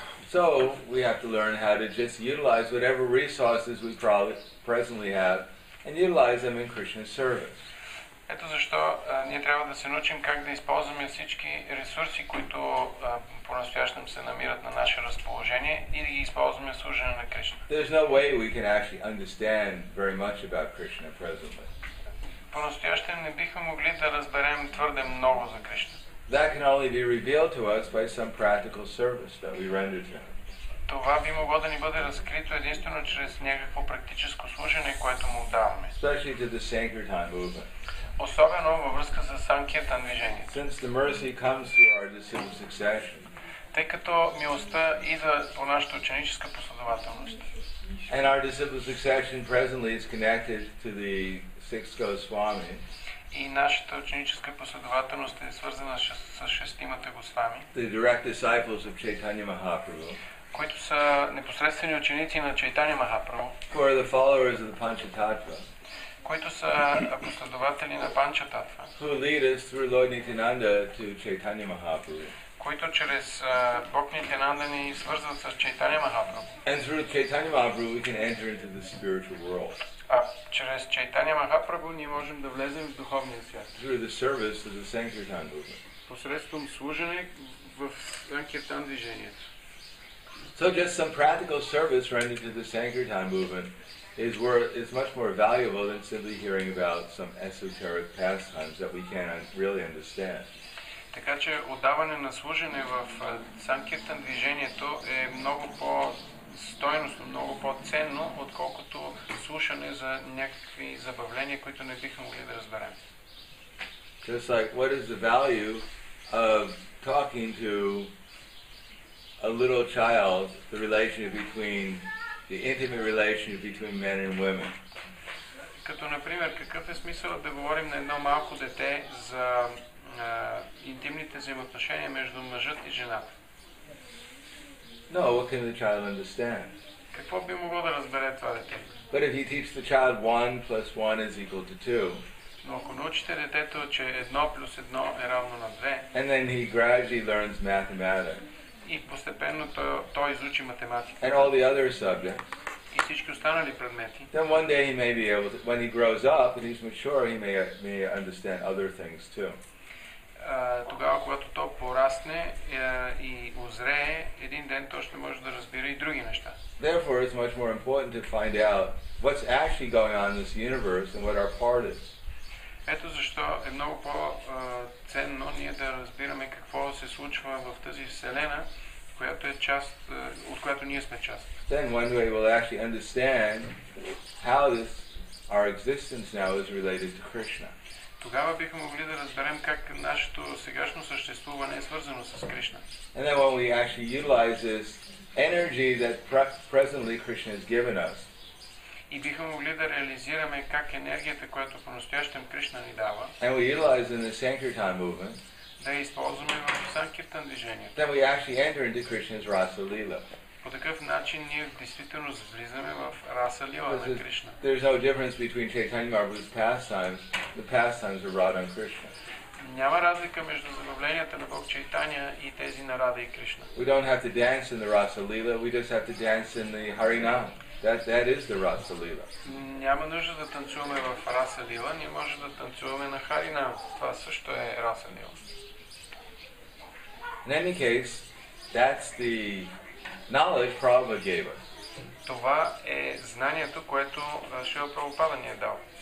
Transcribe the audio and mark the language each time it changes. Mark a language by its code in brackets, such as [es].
[en] So we have to learn how to just utilize whatever resources we presently have and utilize them in Krishna's service. [bg] Ето защо ние трябва да се научим как да използваме всички ресурси, които понастоящем се намират на наше разположение и да ги използваме в служене на Кришна. [en] There's no way we can actually understand very much about Krishna presently. [bg] Понастоящем не бихме могли да разберем твърде много за Кришна. [en] That can only be revealed to us by some practical service that we render to him. [bg] Това би могло да ни бъде разкрито единствено чрез някакво практическо служене, което му даваме. [en] Especially to the Sankirtan movement. [bg] Особено във връзка с Санкиртан движението. [en] Since the mercy comes through our disciple succession. [bg] Тъй като милостта идва по нашата ученическа последователност. [en] And our disciple succession presently is connected to the Six Goswami. [bg] И нашата ученическа последователност е свързана с шестимата Госвами. [en] The direct disciples of Chaitanya Mahaprabhu. [bg] Които са непосредствени ученици на Чайтанья Махапрабху. [en] Who are the followers of the Панчататва. [bg] Които са последователи на Панчататва. [en] Who lead us through Lord Nityananda to Chaitanya Mahaprabhu. [bg] Които чрез Бог Нитянанда ни свързват с Чайтанья Махапрабху. [en] And through Chaitanya Mahaprabhu we can enter into the spiritual world. [bg] А чрез Чайтанья Махапрабху ние можем да влезем в духовния свят. [en] Through the service of the Sankirtan movement. [bg] Посредством служене в Санкиртан движението. [en] So just some practical service rendered to the Sankirtan movement is much more valuable than simply hearing about some esoteric pastimes that we can't really understand. [bg] Така че отдаване на служене в Санкиртан движението е много по стойностно, много по-ценно, отколкото слушане за някакви забавления, които не бихме могли да разберем. [en] Just like, what is the value of talking to a little child, the relationship between, the intimate relationship between men and women? [bg] Като, например, какъв е смисълът да говорим на едно малко дете за интимните взаимоотношения между мъжът и жената? [en] No, what can the child understand? [bg] Какво би могло да разбере това дете? [en] But if you teach the child 1 plus 1 is equal to 2. [bg] Но ако научите детето, че 1 плюс 1 е равно на 2. [en] And then he gradually learns mathematics. [bg] И постепенно той изучи математика. [en] And all the other subjects. [bg] И всички останали предмети. [en] Then one day he may be able to, when he grows up and he's mature, he may understand other things too. [bg] Тогава, когато то порасне и озрее, един ден точно може да разбира и други неща. [en] Therefore, it's much more important to find out what's actually going on in this universe and what our part is. [bg] Ето защо е много по-ценно ние да разбираме какво се случва в тази вселена, която е част, от която ние сме част. [en] Then one way we'll actually understand how this our existence now is related to Krishna. [bg] Тогава бихме могли да разберем как нашето сегашно съществуване е свързано с Кришна. [en] And then when we actually utilize this energy that presently Krishna has given us. [bg] и бихме могли да реализираме как енергията, която по-настоящем Кришна ни дава. [en] And we utilize in the Sankirtan movement. [bg] Да използваме в Санкиртан движението. [en] Then we actually enter into Krishna's Rasa Lila. [bg] По такъв начин ние действително влизаме в Раса Лила на Кришна. [en] There is no difference between Chaitanya Mahaprabhu's pastimes. The pastimes are Radha and Krishna. [bg] Няма разлика между забавленията на Бог Чайтаня и тези на Рада и Кришна. [en] We don't have to dance in the Rasa Lila, we just have to dance in the Harinam. That is the Rasa Lila. [bg] Няма нужда да танцуваме в Раса Лила, ние може да танцуваме на Харинам. Това също е Раса Лила. [en] In any case, that's the knowledge Prabhupada gave us. [bg] Това е знанието, което Шрила Прабхупада ни е дал.